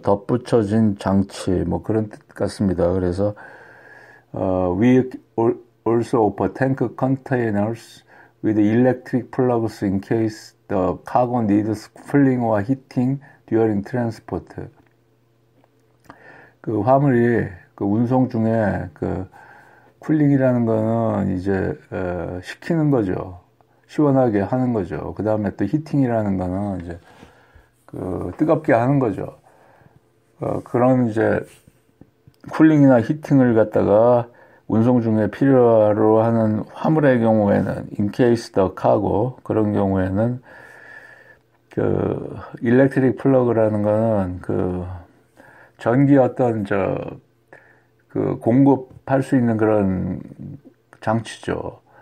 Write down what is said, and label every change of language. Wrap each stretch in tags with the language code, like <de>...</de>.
<ko>덧붙여진 장치 뭐 그런 뜻 같습니다. 그래서</ko> <en>we also offer tanker containers with electric plugs in case the cargo needs cooling or heating during transport.</en> <ko>그 화물이 그 운송 중에 그 쿨링이라는 거는 이제 식히는 거죠. 시원하게 하는 거죠. 그 다음에 또 히팅이라는 거는 이제 그 뜨겁게 하는 거죠. 그런 이제 쿨링이나 히팅을 갖다가 운송 중에 필요로 하는 화물의 경우에는,</ko> <en>in case the cargo,</en> <ko>그런 경우에는, 일렉트릭 플러그라는 거는, 전기 어떤, 공급할 수 있는 그런 장치죠.</ko>